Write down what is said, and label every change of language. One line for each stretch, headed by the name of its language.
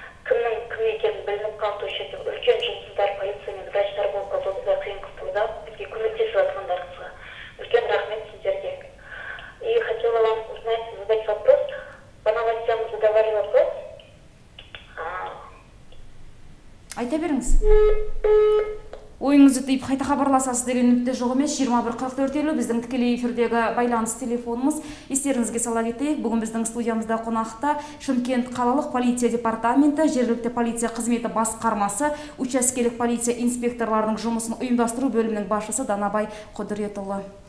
Kazakh: Кімнің білініп қалды үшінде үлкен жұмысындар, полициямен, врачтар болып қалдыңыздар, қиын қыстыңызда, бізге көмектесіп жатқандарыңызға. Үлкен рахмет сіздерге.
Russian: И хотела вам узнать, задать вопрос. По новостям задавали вопрос.
Kazakh: Айта беріңіз. Ойыңызды тиіп қайта хабарласасыз деген үмітте жоқ емес. 21:44 біздің тікелей эфирдегі байланыс телефонымыз. Естеріңізге сала кетейік, бүгін біздің студиямызда қонақта Шымкент қалалық полиция департаменті, жергілікті полиция қызметі басқармасы, учаскелік полиция инспекторларының жұмысын ұйымдастыру бөлімінің басшысы Данабай Құдіретұлы.